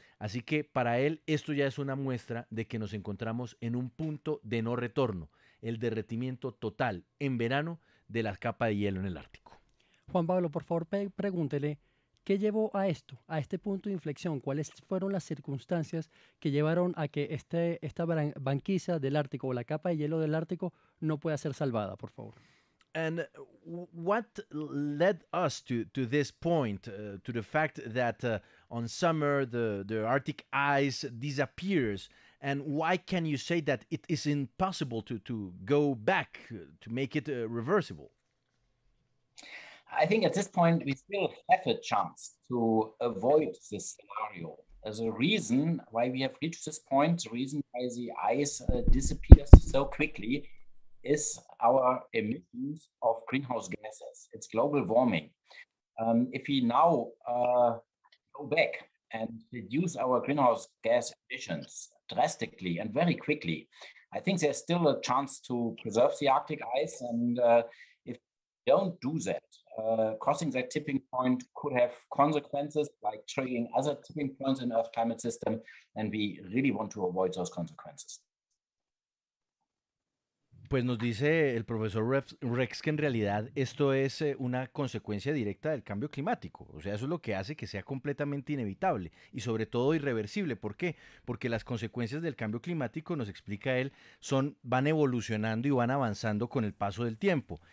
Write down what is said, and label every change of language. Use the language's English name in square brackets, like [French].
[Spanish] Así que para él esto ya es una muestra de que nos encontramos en un punto de no retorno, el derretimiento total en verano de la capa de hielo en el Ártico. Juan Pablo, por favor, pregúntele, ¿qué llevó a esto, a este punto de inflexión? ¿Cuáles fueron las circunstancias que llevaron a que esta banquisa del Ártico o la capa de hielo del Ártico no pueda ser salvada, por favor? [English] And what led us to this point, to the fact that on summer the Arctic ice disappears, and why can you say that it is impossible to go back to make it reversible? I think at this point we still have a chance to avoid this scenario. As a reason why we have reached this point, the reason why the ice disappears so quickly is our emissions of greenhouse gases. It's global warming. If we now go back and reduce our greenhouse gas emissions drastically and very quickly, I think there's still a chance to preserve the Arctic ice. And if we don't do that, crossing that tipping point could have consequences like triggering other tipping points in Earth's climate system, and we really want to avoid those consequences. [Spanish] Pues nos dice el profesor Rex que en realidad esto es una consecuencia directa del cambio climático. O sea, eso es lo que hace que sea completamente inevitable y sobre todo irreversible. ¿Por qué? Porque las consecuencias del cambio climático, nos explica él, van evolucionando y van avanzando con el paso del tiempo.